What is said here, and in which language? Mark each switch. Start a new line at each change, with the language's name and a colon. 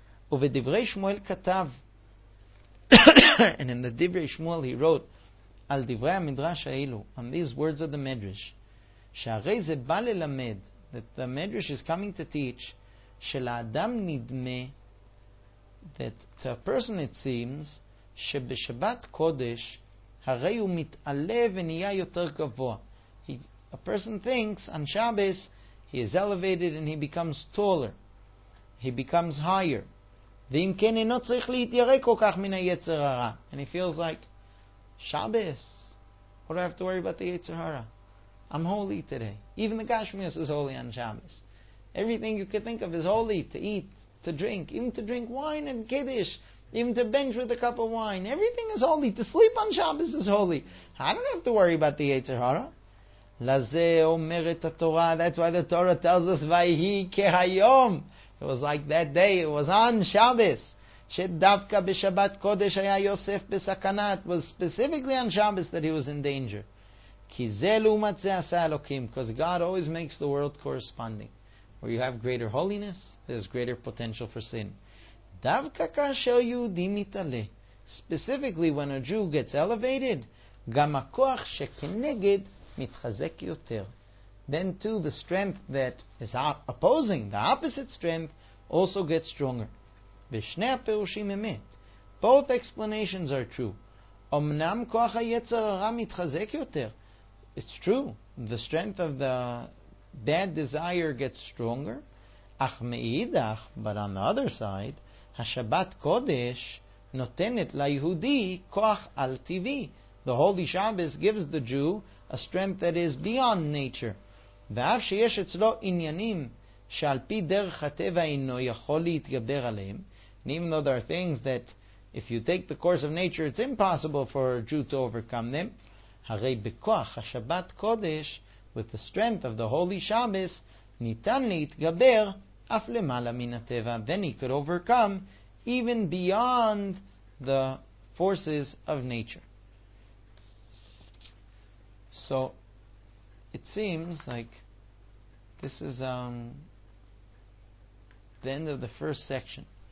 Hebrew: Uvedivrei Shmuel katav,
English: and in the Divrei Shmuel he wrote,
Hebrew: על דברי המדרש האלו,
English: on these words of the Medrash,
Hebrew: שהרי זה בא ללמד,
English: that the Medrash is coming to teach,
Hebrew: שלאדם נדמה,
English: that to a person it seems,
Hebrew: שבשבת קודש, הרי הוא מתעלה ונהיה יותר גבוה.
English: A person thinks, on Shabbos, he is elevated and he becomes taller. He becomes higher.
Hebrew: ואם כן אינו צריך להתיירא כל כך מן היצר הרע.
English: And he feels like, Shabbos, what do I have to worry about the Yetzer Hara? I'm holy today. Even the Gashmias is holy on Shabbos. Everything you can think of is holy, to eat, to drink, even to drink wine and Kiddush, even to binge with a cup of wine. Everything is holy. To sleep on Shabbos is holy. I don't have to worry about the Yetzer Hara. Laze omeret haTorah. That's why the Torah tells us, Vayhi kehayom. It was like that day. It was on Shabbos.
Hebrew: שדווקא בשבת קודש היה יוסף בסכנה.
English: It was specifically on Shabbos that he was in danger.
Hebrew: כי זה לעומת זה עשה אלוקים.
English: Because God always makes the world corresponding. Where you have greater holiness, there's greater potential for sin.
Hebrew: דווקא כאשר יהודי מתעלה.
English: Specifically when a Jew gets elevated,
Hebrew: גם הכוח שכנגד מתחזק יותר.
English: Then too, the strength that is opposing, the opposite strength, also gets stronger.
Hebrew: ושני הפירושים אמת.
English: Both explanations are true.
Hebrew: אמנם כוח היצר הרע מתחזק יותר.
English: It's true. The strength of the bad desire gets stronger.
Hebrew: אך מאידך,
English: but on the other side,
Hebrew: השבת קודש נותנת ליהודי כוח על טבעי.
English: The Holy Shabbos gives the Jew a strength that is beyond nature.
Hebrew: ואף שיש אצלו עניינים שעל פי דרך הטבע אינו יכול להתגבר עליהם,
English: and even though there are things that if you take the course of nature, it's impossible for a Jew to overcome them.
Hebrew: הרי בכוח השבת קודש,
English: with the strength of the Holy Shabbos,
Hebrew: ניתן להתגבר אף למעלה מן הטבע.
English: Then he could overcome even beyond the forces of nature. So, it seems like this is the end of the first section.